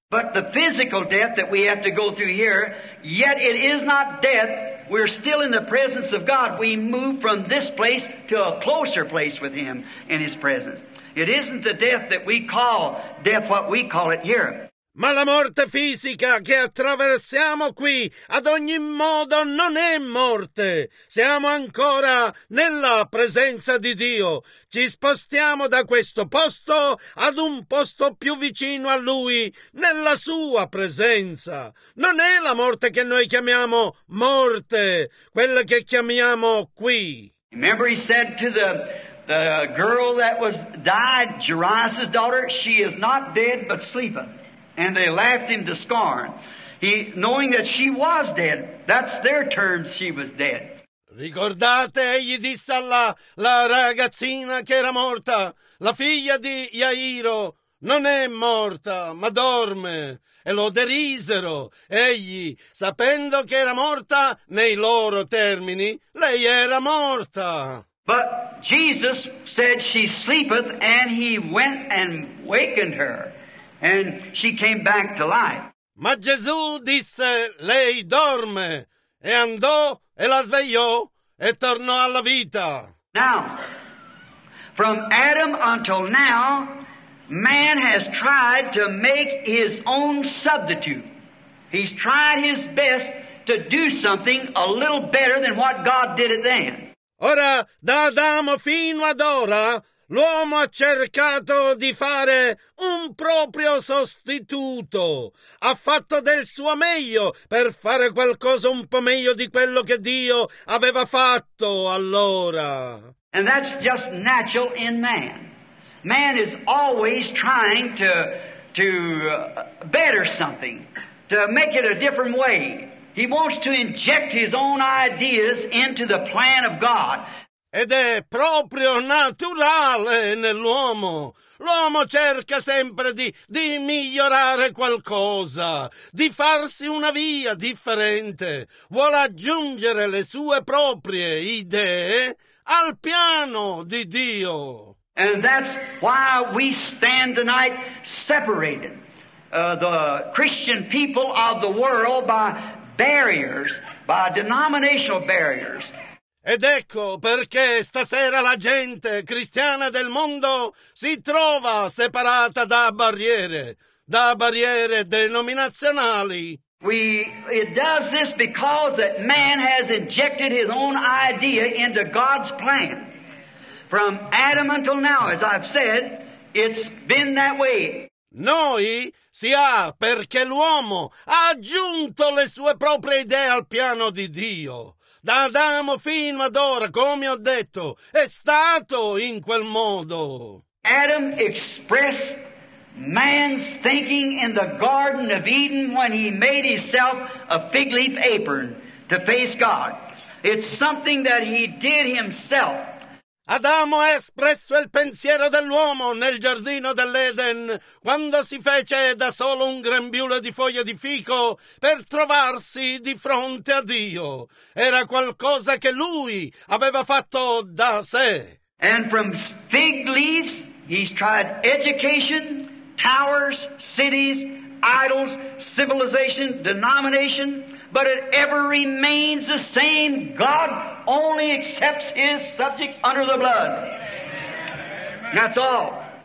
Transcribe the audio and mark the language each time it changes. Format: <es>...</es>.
<en>But the physical death that we have to go through here, yet it is not death. We're still in the presence of God. We move from this place to a closer place with Him in His presence. It isn't the death that we call death, what we call it here.</en> <it>Ma la morte fisica che attraversiamo qui, ad ogni modo, non è morte. Siamo ancora nella presenza di Dio. Ci spostiamo da questo posto ad un posto più vicino a Lui, nella Sua presenza. Non è la morte che noi chiamiamo morte, quella che chiamiamo qui.</it> <en>Remember he said to the girl that was died, Jairus' daughter, she is not dead but sleeping. And they laughed him to scorn, he knowing that she was dead. That's their terms, she was dead.</en> <it>Ricordate, egli disse alla la ragazzina che era morta, la figlia di Jairo, non è morta, ma dorme. E lo derisero, egli, sapendo che era morta, nei loro termini, lei era morta.</it> <en>But Jesus said she sleepeth, and he went and wakened her. And she came back to life.</en> <it>Ma Gesù disse, lei dorme, e andò, e la svegliò, e tornò alla vita.</it> <en>Now, from Adam until now, man has tried to make his own substitute. He's tried his best to do something a little better than what God did it then.</en> <it>Ora, da Adamo fino ad ora, l'uomo ha cercato di fare un proprio sostituto. Ha fatto del suo meglio per fare qualcosa un po' meglio di quello che Dio aveva fatto allora.</it> <en>And that's just natural in man. Man is always trying to better something, to make it a different way. He wants to inject his own ideas into the plan of God.</en> <it>Ed è proprio naturale nell'uomo. L'uomo cerca sempre di migliorare qualcosa, di farsi una via differente. Vuole aggiungere le sue proprie idee al piano di Dio.</it> <en>And that's why we stand tonight separated, the Christian people of the world, by barriers, by denominational barriers.</en> <it>Ed ecco perché stasera la gente cristiana del mondo si trova separata da barriere denominazionali.</it> <en>It does this because that man has injected his own idea into God's plan. From Adam until now, as I've said, it's been that way.</en> <it>Noi si ha perché l'uomo ha aggiunto le sue proprie idee al piano di Dio. Da Adamo fino ad ora, come ho detto, è stato in quel modo.</it> <en>Adam expressed man's thinking in the Garden of Eden when he made himself a fig leaf apron to face God. It's something that he did himself.</en> <it>Adamo ha espresso il pensiero dell'uomo nel giardino dell'Eden quando si fece da solo un grembiule di foglie di fico per trovarsi di fronte a Dio. Era qualcosa che lui aveva fatto da sé.</it> <en>And from fig leaves he's tried education, towers, cities, idols, civilization, denomination, but it ever remains the same. God only accepts his subjects under the blood. Amen. That's all.</en>